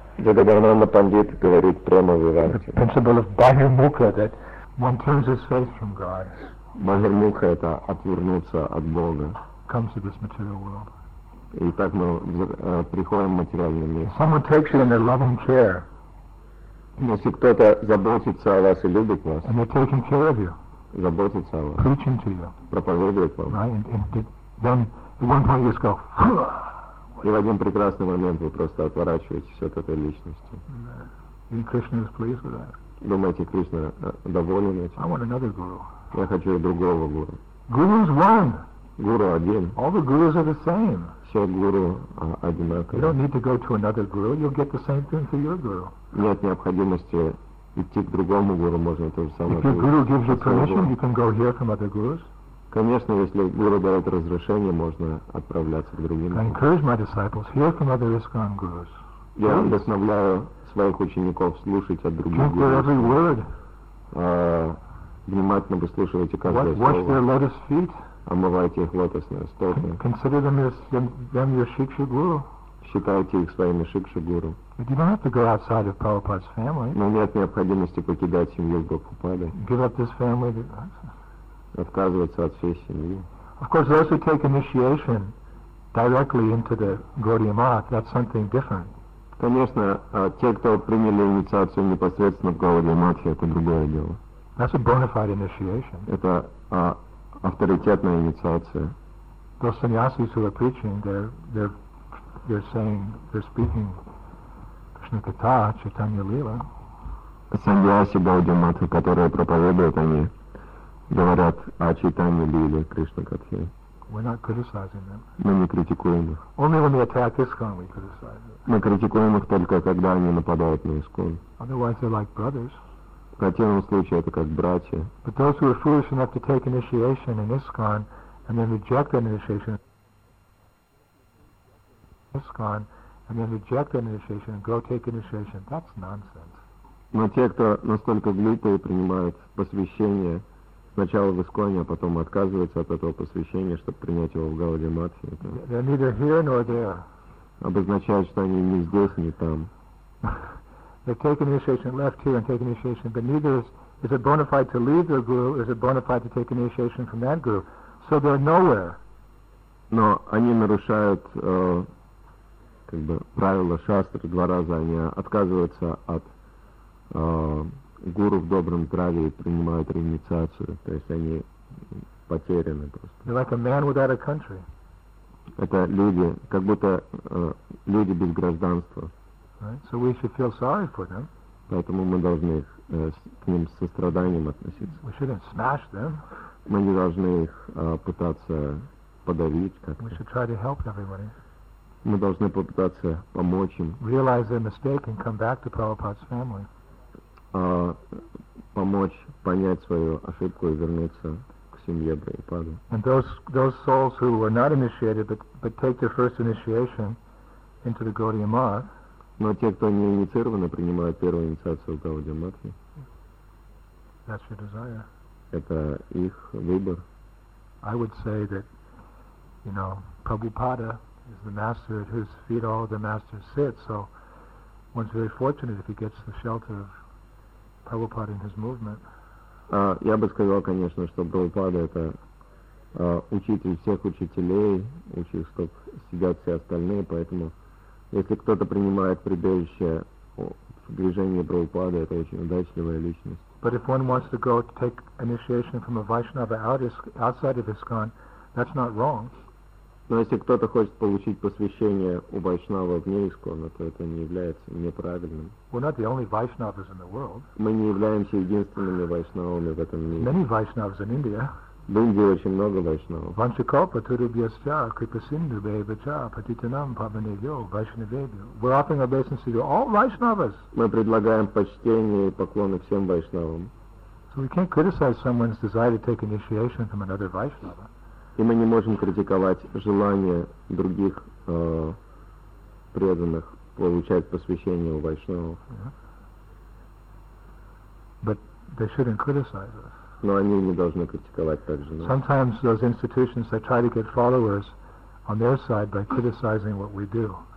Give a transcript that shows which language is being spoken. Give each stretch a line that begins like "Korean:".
Russian: Джагананда Пандит говорит Према-Виварте.
English: The principle of Бахир-Мукха, that one turns his face from God.
Russian: Бахир-Мукха — это отвернуться от Бога.
English: Comes to this material world.
Russian: И так мы приходим в материальный мир.
English: Someone takes you in their loving care.
Russian: Если кто-то заботится о вас и любит вас,
English: and they're taking care of you,
Russian: заботится о вас,
English: preaching to you,
Russian: проповедует вам,
English: right? Then at one point you just go,
Russian: и в один прекрасный момент вы просто отворачиваетесь от этой личности.
English: And Krishna is pleased with that.
Russian: Думаете, Кришна доволен этим?
English: I want another guru.
Russian: Я хочу другого гуру.
English: Guru's one.
Russian: Гуру один.
English: All the gurus are the same.
Russian: Все гуру одинаковые.
English: You don't need to go to another guru. You'll get the same thing for your guru.
Russian: Нет необходимости идти к другому гуру, можно то же самое.
English: If your guru gives you permission, you can go hear from other gurus.
Russian: Конечно, если гуру дает разрешение, можно отправляться к другим.
English: I encourage my disciples, hear from other ISKCON gurus.
Russian: Я вдохновляю своих учеников слушать от других гуру.
English: Keep every word.
Russian: Внимательно выслушивайте каждое слово.
English: Watch their lotus feet.
Russian: Омывайте их лотосные стопы.
English: Consider them your shikshu guru.
Russian: Считайте их своими шикши гуру.
English: But you don't have to go outside of Prabhupada's family.
Russian: Но нет необходимости покидать семью Прабхупады.
English: Give up this family.
Russian: Отказываться от всей семьи.
English: Of course, those who take initiation directly into the Gaudiya Math, that's something different.
Russian: Конечно, те, кто приняли инициацию непосредственно в Гаудия Матхе, это другое дело.
English: That's a bona fide initiation.
Russian: Это авторитетная инициация.
English: The sannyasis who are preaching, they're saying, they're speaking Krishna Katha, Chaitanya Lila.
Russian: Sannyasi Gaudiya Matha, которые проповедуют, они говорят о Чайтанье Лиле, Кришна Катхе.
English: We're not criticizing them.
Russian: Мы не критикуем их.
English: Only when they attack ISKCON we criticize them.
Russian: Мы критикуем их только, когда они нападают на ИСКОН.
English: Otherwise they're like brothers.
Russian: В противном случае это как братья.
English: But those who are foolish enough to take initiation in ISKCON and then reject that initiation in ISKCON and then reject that initiation and go take initiation, that's nonsense.
Russian: Но те, кто настолько глупые, принимают посвящение сначала в ИСКОНе, а потом отказываются от этого посвящения, чтобы принять его в Гаудия Матхе, это
English: they're neither here nor there.
Russian: Обозначает, что они ни здесь, ни там.
English: They've taken initiation left here and taken initiation, but neither is it bona fide to leave their guru, is it bona fide to take initiation from that guru. So they're nowhere.
Russian: Но они нарушают как бы правила шастры два раза. Они отказываются от гуру в добром здравии и принимают реинициацию. То есть они потеряны просто.
English: They're like a man without a country.
Russian: Это люди, как будто люди без гражданства.
English: Right? So we should feel sorry for them.
Russian: Поэтому мы должны к ним с состраданием относиться.
English: We shouldn't smash them.
Russian: Мы не должны их пытаться подавить как-то.
English: We should try to help everybody.
Russian: Мы должны попытаться помочь им.
English: Realize their mistake and come back to Prabhupada's family.
Russian: Помочь понять свою ошибку и вернуться к семье Прабхупады.
English: And those souls who were not initiated but take their first initiation into the Gaudiya Math.
Russian: Но те, кто не инициированы, принимают первую инициацию в Гаудия Матхе.
English: That's your desire.
Russian: Это их выбор.
English: I would say that, you know, Prabhupada is the master at whose feet all the masters sit, so one's very fortunate if he gets the shelter of Prabhupada in his movement.
Russian: Я бы сказал, конечно, что Прабхупада — это учитель всех учителей, учитель, чтоб сидят все остальные, поэтому если кто-то принимает прибежище в движении Прабхупады, это очень удачливая личность.
English: But if one wants to go to take initiation from a Vaishnava outside of ISKCON, that's not wrong.
Russian: Но если кто-то хочет получить посвящение у Вайшнава вне ИСКОН, то это не является неправильным.
English: We're not the only Vaishnavas in the world.
Russian: Мы не являемся единственными Вайшнавами в этом мире.
English: Many Vaishnavas in India.
Russian: В Индии очень много вайшнава.
Sanskrit: Ванчакалпа, Турубьясча, Крипасинду, Бейвача, Патитанам, Пабанегио, Вайшнавебио.
English: We're offering obeisance to all Vaishnavas.
Russian: Мы предлагаем почтение и поклоны всем вайшнавам.
English: So we can't criticize someone's desire to take initiation from another Vaishnava.
Russian: И мы не можем критиковать желание других преданных получать посвящение у вайшнавов.
English: Yeah. But they shouldn't criticize us.
Russian: Но они не должны критиковать так же.
English: Sometimes those institutions that try to get followers on their side by criticizing what we do.